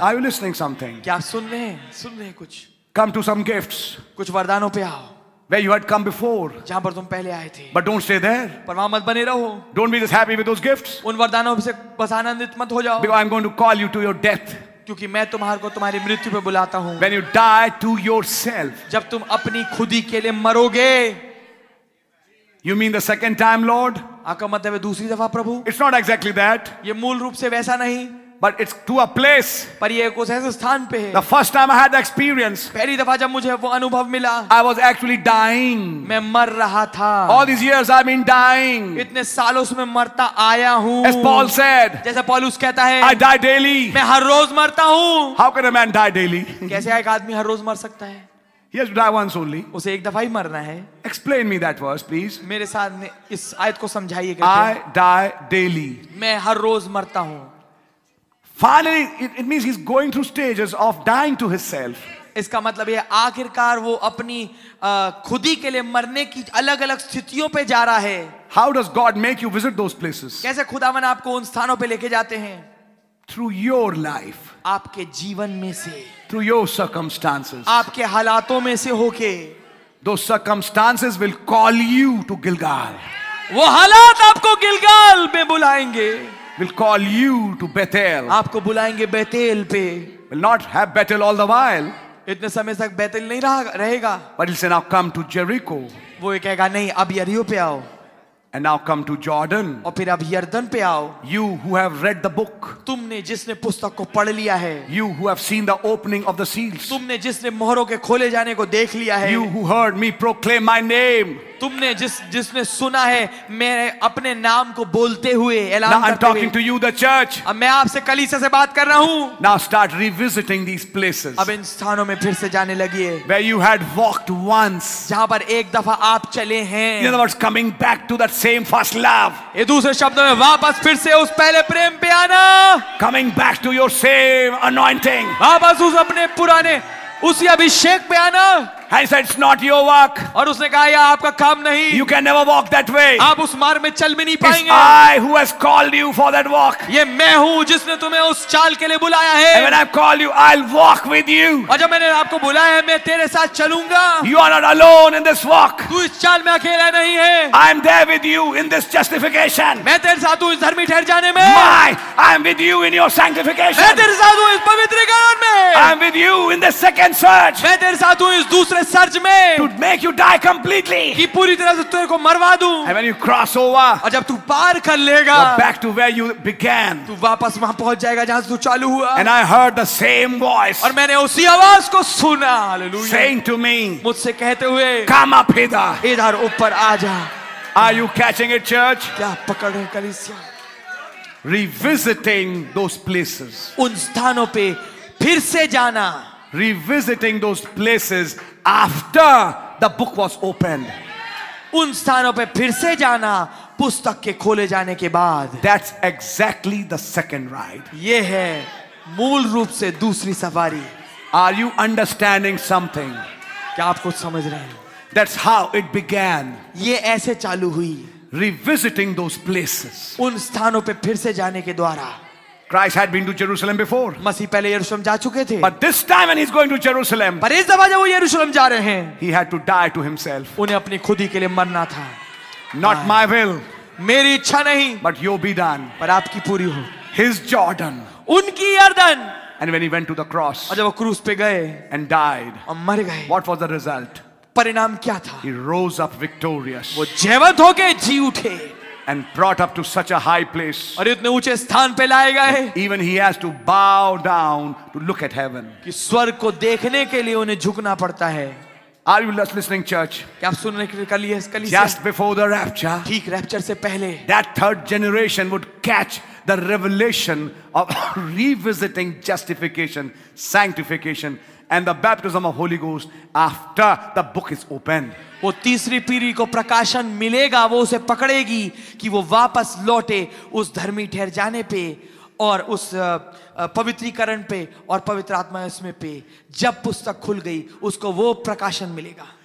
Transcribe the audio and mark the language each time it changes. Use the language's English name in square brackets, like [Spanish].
[English] Are you listening something? [Hindi] क्या सुन रहे हैं? सुन रहे हैं कुछ? [English] Come to some gifts. [Hindi] कुछ वरदानों पे आओ. [English] Where you had come before. [Hindi] जहाँ पर तुम पहले आए थे. [English] But don't stay there. [Hindi] पर वहाँ मत बने रहो. [English] Don't be just happy with those gifts. [Hindi] उन वरदानों से बस आनंदित मत हो जाओ. [English] Because I'm going to call you to your death. [Hindi] क्योंकि मैं तुम्हारे को तुम्हारी मृत्यु पे बुलाता हूं. [English] When you die to yourself, [Hindi] जब तुम अपनी खुदी के लिए मरोगे. [English] You mean the second time, Lord? [Hindi] आका मतलब है दूसरी दफा प्रभु? [English] It's not exactly that. [Hindi] ये मूल रूप से वैसा नहीं. [English] But it's to a place. [Hindi] पर ये कुछ ऐसे स्थान पे है. [English] The first time I had the experience. [Hindi] पहली दफा जब मुझे वो अनुभव मिला. [English] I was actually dying. [Hindi] मैं मर रहा था. [English] All these years I've been dying. [Hindi] इतने सालों से मैं मरता आया हूँ. [English] As Paul said. [Hindi] जैसे पौलुस कहता है. [English] I die daily. [Hindi] मैं हर रोज मरता हूँ. [English] How can a man die daily? [Hindi] कैसे एक आदमी हर रोज मर सकता है? [English] He has to die once only. [Hindi] उसे एक दफा ही मरना है. [English] Explain me that verse, please. [Hindi] मेरे साथ में इस आयत को समझाइए. [English] I die daily. [Hindi] मैं हर रोज मरता हूँ. [English] Finally, it means he's going through stages of dying to himself. [Hindi] इसका मतलब है आखिरकार वो अपनी खुदी के लिए मरने की अलग-अलग स्थितियों पे जा रहा है. [English] How does God make you visit those places? [Hindi] कैसे खुदावन आपको उन स्थानों पे लेके जाते हैं? [English] Through your life. [Hindi] आपके जीवन में से. [English] Through your circumstances. [Hindi] आपके हालातों में से होके. [English] Those circumstances will call you to Gilgal. [Hindi] वो हालात आपको गिलगाल में बुलाएंगे. [English] Will call you to Bethel. [Hindi] आपको बुलाएंगे बेतेल पे. [English] Will not have Bethel all the while. [Hindi] इतने समय तक बेतेल नहीं रहेगा. [English] But he'll say, now come to Jericho. [Hindi] वो ये कहेगा नहीं अब यरीहो पे आओ. [English] And now come to Jordan. [Hindi] और फिर अब यर्दन पे आओ. [English] You who have read the book. [Hindi] तुमने जिसने पुस्तक को पढ़ लिया है. [English] You who have seen the opening of the seals. [Hindi] तुमने जिसने मोहरों के खोले जाने को देख लिया है. [English] You who heard me proclaim my name. [Hindi] तुमने जिसने सुना है मेरे अपने नाम को बोलते हुए ऐलान करते हुए. [English] Now I'm talking to you, the church. [Hindi] अब मैं आपसे कलीसिया से बात कर रहा हूँ. [English] Now start revisiting these places. [Hindi] अब इन स्थानों में फिर से जाने लगिए. [English] Where you had walked once. [Hindi] जहाँ पर एक दफा आप चले हैं. [English] In other words, coming back to that same first love. [Hindi] ये दूसरे शब्दों में वापस फिर से उस पहले प्रेम पे आना. [English] Coming back to your same anointing. [Hindi] वापस उस अपने पुराने उसी अभिषेक पे आना. [English] And he said, it's not your work. [Hindi] और उसने कहा यह आपका काम नहीं. [English] You can never walk that way. [Hindi] आप उस मार्ग में चल भी नहीं पाएंगे. [English] I who has called you for that walk. [Hindi] ये मैं हूँ जिसने तुम्हें उस चाल के लिए बुलाया है. [English] And when I've called you, I'll walk with you. [Hindi] और जब मैंने आपको बुलाया है, मैं तेरे साथ चलूंगा. [English] You are not alone in this walk. [Hindi] तू इस चाल में अकेला नहीं है. [English] I'm there with you in this justification. [Hindi] मैं तेरे साथ हूँ इस धर्मी ठहर जाने में. [English] I'm with you in your sanctification. [Hindi] मैं तेरे साथ हूँ इस पवित्रीकरण में. [English] I'm with you in the second search. [Hindi] मैं तेरे साथ हूँ इस दूसरे सर्च में. [English] To make you die completely. [Hindi] कि पूरी तरह से तुझे को मरवा दूं. [English] And when you cross over. [Hindi] और जब तू पार कर लेगा. [English] You're back to where you began. [Hindi] तू वापस वहां पहुंच जाएगा जहां से तू चालू हुआ. [English] And I heard the same voice. [Hindi] और मैंने उसी आवाज को सुना. [English] Hallelujah. Saying to me. [Hindi] मुझसे कहते हुए. [English] Come up hither. [Hindi] इधर ऊपर आ जा. [English] Are you catching it, church? [Hindi] क्या पकड़ रहे कलीसिया? [English] Revisiting those places. [Hindi] उन स्थानों पे फिर से जाना. [English] Revisiting those places after the book was opened. [Hindi] उन स्थानों पे फिर से जाना पुस्तक के खोले जाने के बाद. [English] That's exactly the second ride. [Hindi] ये है मूल रूप से दूसरी सवारी. [English] Are you understanding something? [Hindi] क्या आप कुछ समझ रहे हैं? [English] That's how it began. [Hindi] ये ऐसे चालू हुई. [English] Revisiting those places. [Hindi] उन स्थानों पे फिर से जाने के द्वारा. [English] Christ had been to Jerusalem before. [Hindi] मसीह पहले यरूशलेम जा चुके थे. [English] But this time when he's going to Jerusalem. [Hindi] पर इस दफा जब वो यरूशलेम जा रहे हैं. [English] He had to die to himself. [Hindi] उन्हें अपनी खुदी के लिए मरना था. [English] Not my will. [Hindi] मेरी इच्छा नहीं. [English] But your be done. [Hindi] पर आपकी पूरी हो. [English] His Jordan. [Hindi] उनकी यरदन. [English] And when he went to the cross. [Hindi] और जब वो क्रूस पे गए. [English] And died. [Hindi] और मर गए. [English] What was the result? [Hindi] परिणाम क्या था? [English] He rose up victorious. [Hindi] वो जयवंत होके जी उठे. [English] And brought up to such a high place. [Hindi] और इतने ऊंचे स्थान पे लाए गए. [English] Even he has to bow down to look at heaven. [Hindi] कि स्वर्ग को देखने के लिए उन्हें झुकना पड़ता है. [English] Are you listening, church? [Hindi] क्या आप सुनने के लिए कलीसिया? [English] Just before the rapture. [Hindi] ठीक रैप्चर से पहले. [English] That third generation would catch the revelation of revisiting justification, sanctification, and the baptism of Holy Ghost after the book is opened. [Hindi] वो तीसरी पीढ़ी को प्रकाशन मिलेगा. वो उसे पकड़ेगी कि वो वापस लौटे उस धर्मी ठहर जाने पे और उस पवित्रीकरण पे और पवित्र आत्मा उसमें पे जब पुस्तक खुल गई उसको वो प्रकाशन मिलेगा.